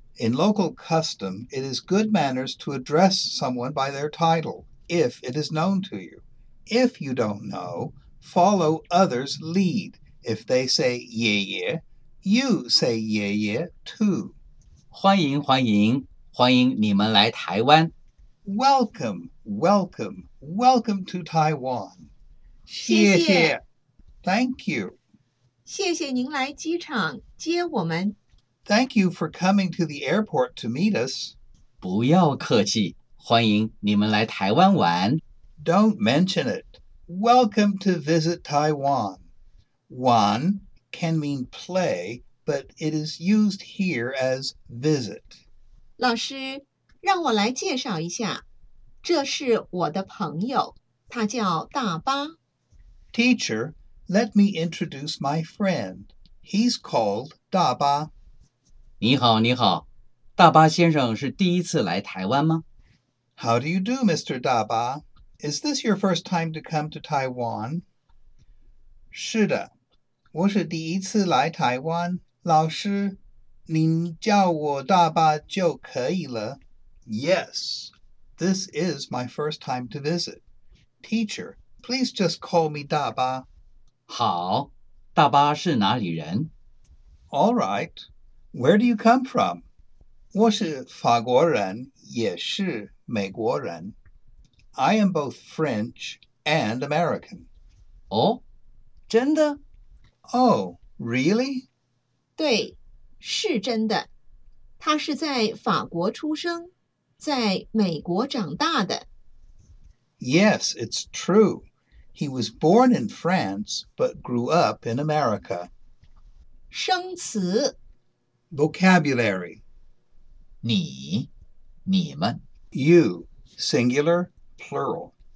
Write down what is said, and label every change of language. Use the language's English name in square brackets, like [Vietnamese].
[English] In local custom, it is good manners to address someone by their title, if it is known to you. If you don't know, follow others' lead. If they say 爷爷, you say 爷爷 too. [Chinese] 欢迎欢迎欢迎你们来台湾。 [English] Welcome, welcome, welcome to Taiwan. [Chinese] 谢谢。 [English] Thank you. [Chinese] 谢谢您来机场接我们。 [English] Thank you for coming to the airport to meet us. [Chinese] 不要客气，欢迎你们来台湾玩。 [English] Don't mention it. Welcome to visit Taiwan. Wan can mean play, but it is used here as visit. [Chinese] 老师，让我来介绍一下，这是我的朋友，他叫大巴。 [English] Teacher, let me introduce my friend. He's called 大巴。 [Chinese] 你好，你好，大巴先生是第一次来台湾吗 [English] ？How do you do, Mr. 大巴 ？Is this your first time to come to Taiwan？ [Chinese] 是的，我是第一次来台湾。老师，您叫我大巴就可以了。 [English] Yes, this is my first time to visit. Teacher, please just call me 大巴。 [Chinese] 好，大巴是哪里人 [English] ？All right. Where do you come from? [Chinese] 我是法国人，也是美国人。 [English] I am both French and American. [Chinese] 哦，真的？ [English] Oh, really? [Chinese] 对，是真的。他是在法国出生，在美国长大的。 [English] Yes, it's true. He was born in France, but grew up in America. [Chinese] 生词。 [English] Vocabulary. [Chinese] 你，你们。 [English] You, singular, plural.